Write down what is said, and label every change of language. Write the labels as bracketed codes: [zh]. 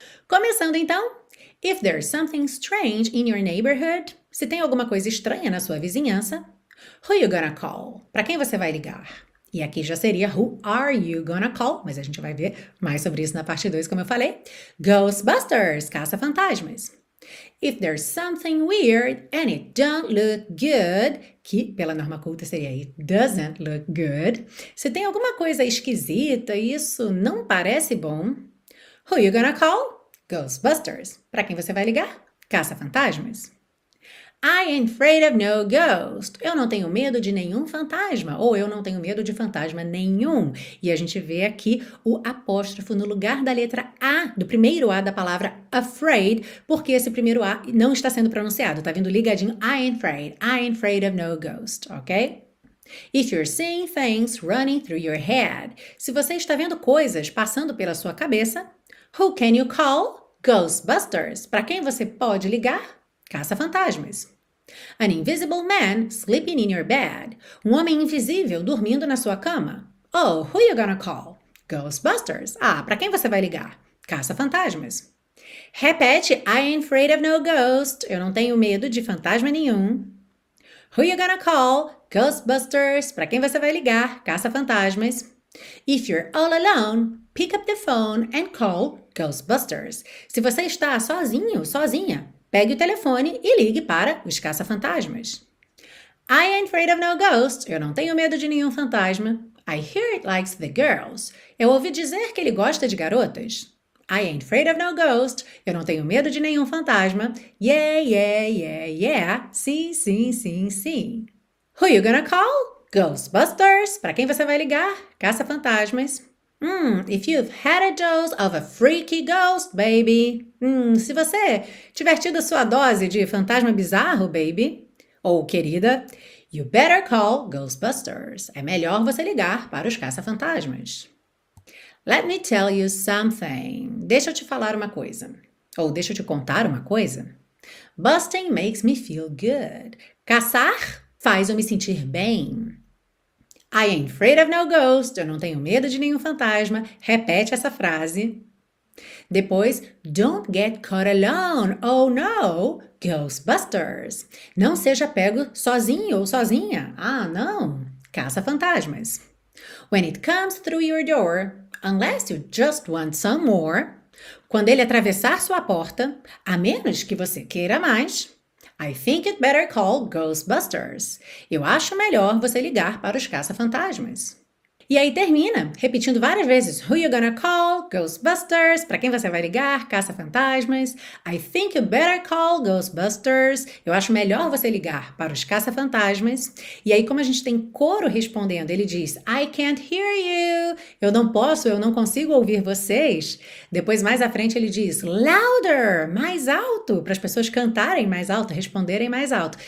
[pt] Começando então, [en] if there's something strange in your neighborhood, [pt] se tem alguma coisa estranha na sua vizinhança, [en] who you gonna call? [pt] Para quem você vai ligar? E aqui já seria [en] who are you gonna call? [pt] Mas a gente vai ver mais sobre isso na parte 2, como eu falei. Ghostbusters, caça-fantasmas. [en] If there's something weird and it don't look good, [pt] que pela norma culta seria aí [en] doesn't look good. [pt] Se tem alguma coisa esquisita e isso não parece bom, [en] who you gonna call? [pt] Ghostbusters. Para quem você vai ligar? Caça-fantasmas. [en] I ain't afraid of no ghost. [pt] Eu não tenho medo de nenhum fantasma, ou eu não tenho medo de fantasma nenhum. E a gente vê aqui o apóstrofo no lugar da letra A, do primeiro A da palavra afraid, porque esse primeiro A não está sendo pronunciado, tá vindo ligadinho. [en] I ain't afraid of no ghost, ok? If you're seeing things running through your head, [pt] se você está vendo coisas passando pela sua cabeça, [en] who can you call? [pt] Ghostbusters. Para quem você pode ligar? Caça-fantasmas. [en] An invisible man sleeping in your bed. [pt] Um homem invisível dormindo na sua cama. [en] Oh, who you gonna call? [pt] Ghostbusters. Ah, pra quem você vai ligar? Caça-fantasmas. [en] Repete, I ain't afraid of no ghost. [pt] Eu não tenho medo de fantasma nenhum. [en] Who you gonna call? [pt] Ghostbusters. Pra quem você vai ligar? Caça-fantasmas. [en] If you're all alone, pick up the phone and call Ghostbusters. [pt] Se você está sozinho, sozinha, pegue o telefone e ligue para os caça-fantasmas. [en] I ain't afraid of no ghost. [pt] Eu não tenho medo de nenhum fantasma. [en] I hear it likes the girls. [pt] Eu ouvi dizer que ele gosta de garotas. [en] I ain't afraid of no ghost. [pt] Eu não tenho medo de nenhum fantasma. [en] Yeah, yeah, yeah, yeah. [pt] Sim, sim, sim, sim. [en] Who you gonna call? [pt] Ghostbusters. Pra quem você vai ligar? Caça-fantasmas. [en] If you've had a dose of a freaky ghost, baby. [pt] Se você tiver tido a sua dose de fantasma bizarro, [en] baby. [pt] Ou querida. [en] You better call [pt] Ghostbusters. É melhor você ligar para os caça-fantasmas. [en] Let me tell you something. [pt] Deixa eu te falar uma coisa. Ou deixa eu te contar uma coisa. [en] Busting makes me feel good. [pt] Caçar faz eu me sentir bem. [en] I ain't afraid of no ghost. [pt] Eu não tenho medo de nenhum fantasma. Repete essa frase. Depois, [en] don't get caught alone. Oh no, Ghostbusters. [pt] Não seja pego sozinho ou sozinha. Ah, não. Caça-fantasmas. [en] When it comes through your door, unless you just want some more. [pt] Quando ele atravessar sua porta, a menos que você queira mais. [en] I think you'd better call Ghostbusters. [pt] Eu acho melhor você ligar para os caça-fantasmas. E aí termina, repetindo várias vezes. [en] Who you gonna call? [pt] Ghostbusters. Para quem você vai ligar? Caça-fantasmas. [en] I think you better call Ghostbusters. [pt] Eu acho melhor você ligar para os caça-fantasmas. E aí, como a gente tem coro respondendo, ele diz, [en] I can't hear you. [pt] Eu não posso, eu não consigo ouvir vocês. Depois, mais à frente, ele diz, [en] louder, [pt] mais alto, para as pessoas cantarem mais alto, responderem mais alto.